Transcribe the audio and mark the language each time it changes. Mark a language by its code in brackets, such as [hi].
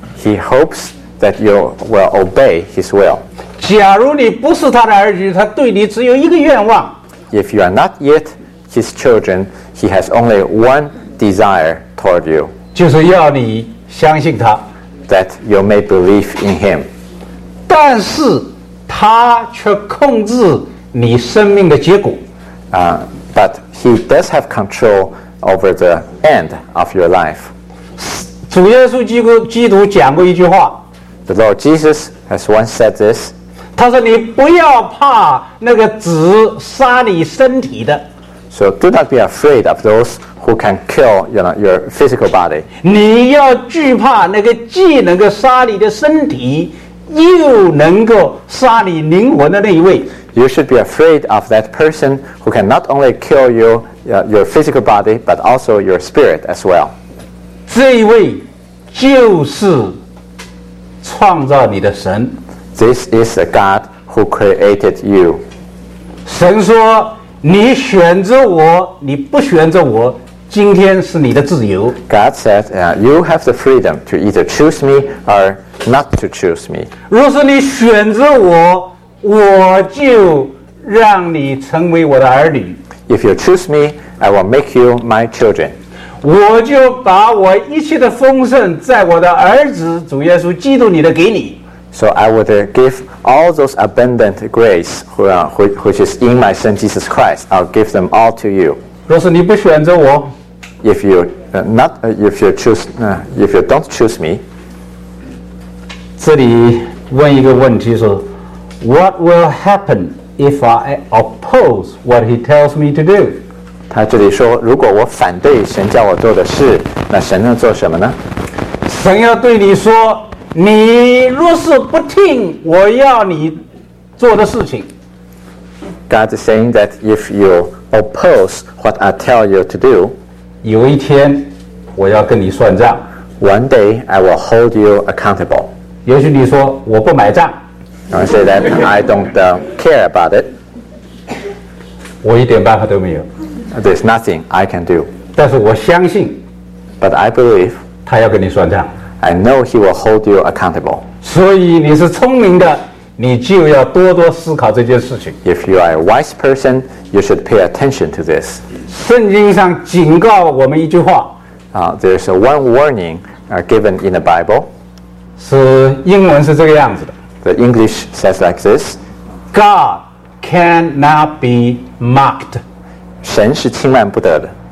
[en] He hopes that you will obey his will. [zh] 假如你不是他的儿女，他对你只有一个愿望。 [en] If you are not yet his children, he has only one desire toward you. [zh] 就是要你相信他。 [en] That you may believe in him. [zh] 但是他却控制你生命的结果。 [en] But he does have control over the end of your life. [zh] 主耶稣基督讲过一句话。 [en] The Lord Jesus has once said this. [zh] 他说你不要怕那个只杀你身体的。 [en] So do not be afraid of those who can kill, you know, your physical body. [zh] 你要惧怕那个既能够杀你的身体又能够杀你灵魂的那一位。 [en] You should be afraid of that person who can not only kill you, your physical body, but also your spirit as well. [zh] 这一位就是创造你的神。 [en] This is the God who created you. [zh] 神说，你选择我，你不选择我，今天是你的自由。 [en] God said, you have the freedom to either choose me or not to choose me. [zh] 若是你选择我，我就让你成为我的儿女。 [en] If you choose me, I will make you my children. [zh] 我就把我一切的丰盛在我的儿子主耶稣基督里的给你。 [en] So I would give all those abundant grace which is in my son Jesus Christ. I'll give them all to you. [zh] 若是你不选择我， [en] if you don't choose me, [zh] 这里问一个问题说， [en] What will happen if I oppose what he tells me to do? [zh] 他这里说，如果我反对神叫我做的事，那神能做什么呢？神要对你说，你若是不听我要你做的事情。 [en] God is saying that if you oppose what I tell you to do, [zh] 有一天我要跟你算账。 [en] One day I will hold you accountable. [zh] 也许你说，我不买账。 [en] I say that I don't care about it. [zh] 我一点办法都没有。 [en] There's nothing I can do. [zh] 但是我相信。 [en] But I believe. [zh] 他要跟你算账。 [en] I know he will hold you accountable. [zh] 所以你是聪明的，你就要多多思考这件事情。 [en] If you are a wise person, you should pay attention to this. [zh] 圣经上警告我们一句话。 [en] There's one warning given in the Bible. [zh] 是英文是这个样子的。 [en] The English says like this: God cannot be mocked. [zh] 神是轻慢不得的。